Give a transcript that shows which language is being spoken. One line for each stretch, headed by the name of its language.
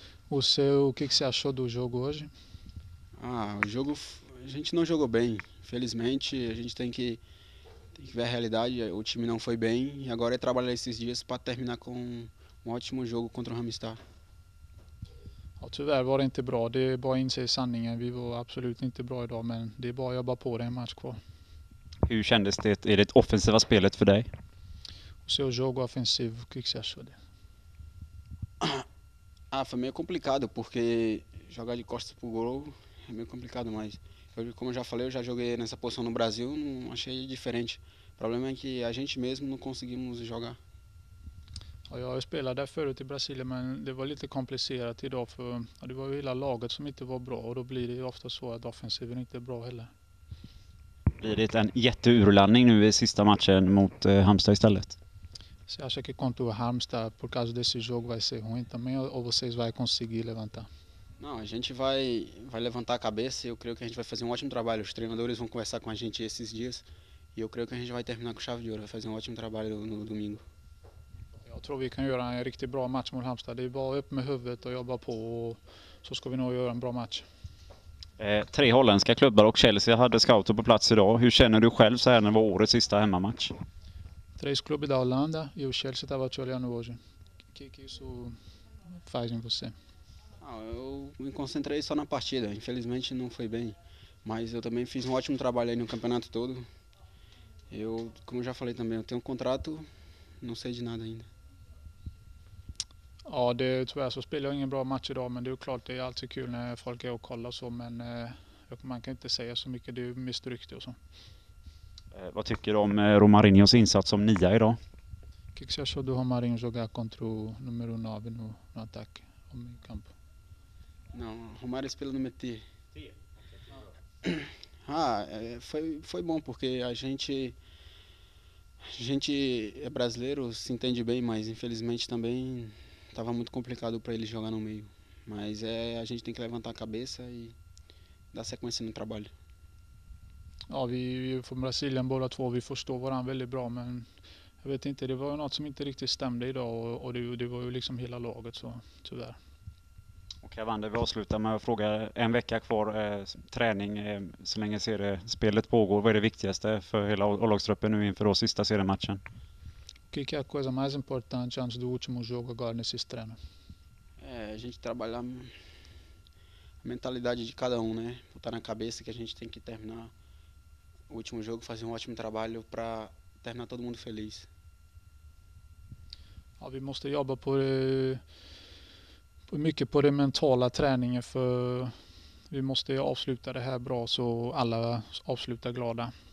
Portuguese: O seu, o que você achou do jogo hoje? Ah, o jogo, a gente não jogou bem. Infelizmente, a gente tem que ver a realidade. O time não foi bem e agora é trabalhar esses dias para terminar com um ótimo jogo contra o Halmstad.
Swedish: Ja, tyvärr var det inte bra. Det är bara att inse sanningen. Vi var absolut inte bra idag, men det är bara att jobba på det en match kvar. Hur kändes det i det offensiva spelet för dig?
Portuguese: Seu jogo ofensivo, o que você achou dele? Ah, foi meio complicado, porque jogar de costas pro gol é meio complicado, mas como eu já falei, eu já joguei nessa posição no Brasil, não achei diferente. O problema é que a gente mesmo não conseguimos jogar.
Swedish: Jag spelade där förut i Brasilien, men det var lite komplicerat idag för det var ju hela laget som inte var bra och då blir det ju ofta så att offensiven inte är bra heller. Blir det en jätteurlandning nu i sista matchen mot Halmstad istället?
Portuguese: Se acha que contra o Halmstad por causa desse jogo vai ser ruim também ou vocês vai conseguir levantar? Não, a gente vai levantar a cabeça e eu creio que a gente vai fazer um ótimo trabalho. Os treinadores vão conversar com a gente esses dias e eu creio que a gente vai terminar com chave de ouro, vai fazer um ótimo trabalho no domingo.
Swedish: Jag tror vi kan göra en riktigt bra match mot Halmstad. Det är bara upp med huvudet och jobba på och så ska vi nog göra en bra match. Tre holländska klubbar och Chelsea hade scouter på plats idag. Hur känner du själv så här när var årets sista hemmamatch? Tre klubbar idag, Holland och Chelsea
Portuguese: tava te olhando hoje. Que isso faz em você? Eu me concentrei só na partida. Infelizmente não foi bem, mas eu também fiz um ótimo trabalho aí no campeonato todo. Eu, como já falei também, eu tenho um contrato. Não sei de nada ainda.
Swedish: Ja, det tyvärr så spelar jag ingen bra match idag, men det är klart det är alltid kul när folk är och kollar så, men man kan inte säga så mycket, det är misstryckt och så. Vad tycker du om Romarinhos insats som nia idag?
Portuguese: Que você achou do Romarinho jogar contra o número 9 no ataque ao meio campo?
Swedish: Não, Romarinho spelar nummer 10. 10.
Portuguese: Ah, foi bom porque a gente é brasileiro, se entende bem, mas infelizmente também tava muito complicado para ele jogar no meio, mas a gente tem que levantar a cabeça e dar sequência no trabalho.
Swedish: Ja, vi från Brasilien båda två, vi förstår varandra väldigt bra, men jag vet inte, det var något som inte riktigt stämde idag och det var ju liksom hela laget så tyvärr. Okej, Wander, vi avslutar med att fråga, en vecka kvar träning, så länge ser det spelet pågår, vad är det viktigaste för hela lagstruppen nu inför då sista seriematchen?
Portuguese: O que é a coisa mais importante antes do último jogo agora nesse treino? A gente trabalhar a mentalidade de cada um, né? Botar na cabeça que a gente tem que terminar o último jogo, fazer um ótimo trabalho para terminar todo mundo feliz.
Swedish: Ja, vi måste jobba på mycket på det mentala träningen för vi måste avsluta det här bra så alla avslutar glada.